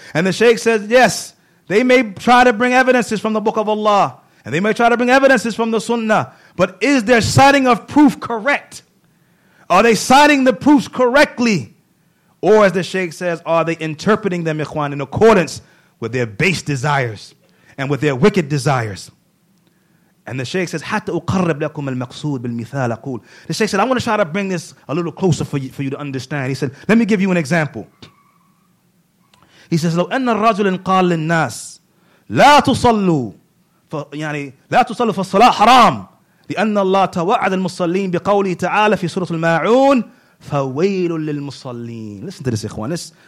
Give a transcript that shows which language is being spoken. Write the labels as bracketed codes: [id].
[en] And the Shaykh says, yes, they may try to bring evidences from the book of Allah, and they may try to bring evidences from the sunnah, but is their citing of proof correct? Are they citing the proofs correctly? Or, as the Shaykh says, are they interpreting them, Ikhwan, in accordance with their base desires and with their wicked desires? And the Shaykh says, [ar] حَتَّ أُقَرِّبْ لَكُمْ الْمَقْصُودِ بِالْمِثَالِ أَقُولُ. [en] The Shaykh said, I want to try to bring this a little closer for you to understand. He said, let me give you an example. He says, [ar] لَوْ أَنَّ الرَّجُلٍ قَالَ لِلنَّاسِ لَا تُصَلُّوا فَالصَّلَاةُ حَرَامٌ لِأَنَّ اللَّهَ تَوَعَدَ الْمُصَلِّينَ بِقَوْلِهِ تَعَالَى فِي سُورَةِ الْمَاعُونِ فَوَيْلٌ لِلْمُصَلِّينَ. [en] Listen to this, Ikhwan.